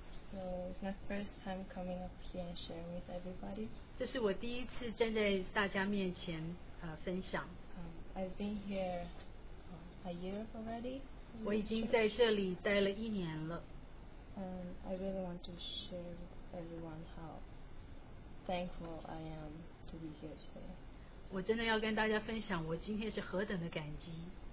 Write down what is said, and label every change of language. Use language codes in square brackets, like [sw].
[en] So it's my first time coming up here and sharing with everybody. [zh] 这是我第一次站在大家面前分享。 [en] I've been here a year already. [zh] 我已经在这里待了一年了。 [en] I really want to share with everyone how thankful I am to be here today. [zh] 我真的要跟大家分享我今天是何等的感激。